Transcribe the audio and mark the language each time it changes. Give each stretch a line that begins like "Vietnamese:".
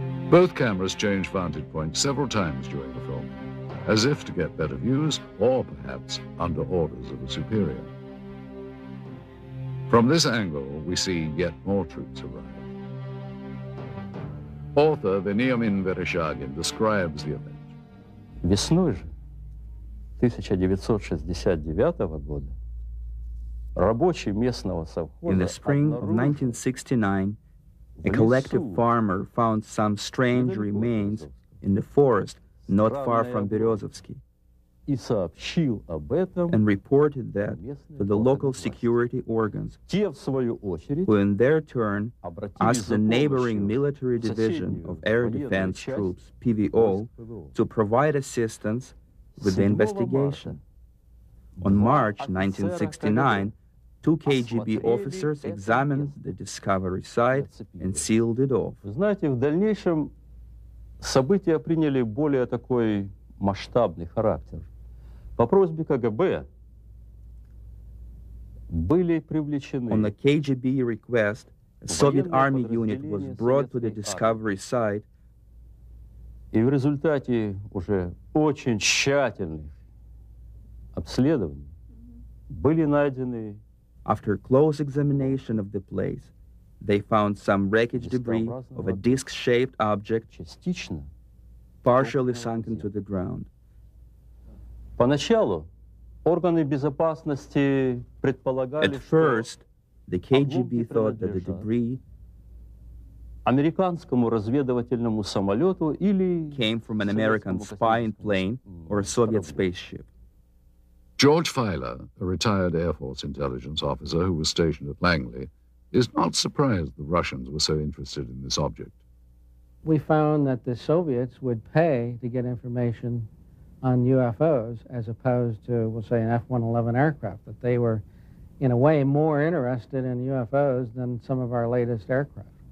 English: Both cameras change vantage points several times during the film, as if to get better views or perhaps under orders of a superior. From this angle, we see yet more troops arrive. Author Veniamin Vereshchagin describes the event.
Russian: Весной же 1969 года рабочий местного совхоза.
English: In the spring of 1969, a collective farmer found some strange remains in the forest not far from Березовский. And reported that to the local security organs, who in their turn asked the neighboring military division of air defense troops, PVO, to provide assistance with the investigation. On March 1969, two KGB officers examined the discovery site and sealed it off.
Russian: Знаете, в дальнейшем события приняли более такой масштабный характер.
English: On a KGB request, a Soviet army unit was brought to the discovery site.
Russian: И в результате уже очень тщательных обследований были найдены.
English: After close examination of the place, they found some wreckage debris of a disc-shaped object,
Russian: частично,
English: partially sunk into the ground.
Russian: Поначалу органы безопасности предполагали,
English: at first, the KGB thought that the debris
Russian: американскому разведывательному самолету или
English: came from an American spy plane or a Soviet spaceship. George Filer, a retired Air Force intelligence officer who was stationed at Langley, is not surprised the Russians were so interested in this object. We found that the Soviets would pay to get information on UFOs, as opposed to, we'll say, an F-111 aircraft, that they were, in a way, more interested in UFOs than some of our latest aircraft.